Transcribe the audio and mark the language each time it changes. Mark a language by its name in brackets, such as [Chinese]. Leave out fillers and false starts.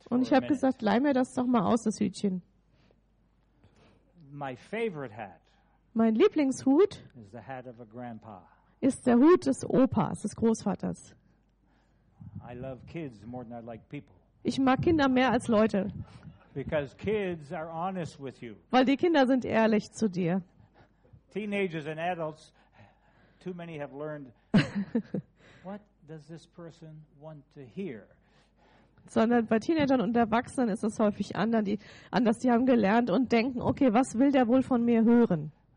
[German] Und ich habe gesagt, leih mir das doch mal aus, das Hütchen. [English] My favorite hat. [German] Mein Lieblingshut [English] is the hat of a grandpa. [German] Ist der Hut des Opas, des Großvaters. [English] I love kids more than I like people. [German] Ich mag Kinder mehr als Leute. [English] Because kids are honest with you. [German] Weil die Kinder sind ehrlich zu dir. [English] Teenagers and adults, too many have learned what does this person want to hear? [German] Sondern bei Teenagern und Erwachsenen ist es häufig anders. Die haben gelernt und denken, okay, was will der wohl von mir hören?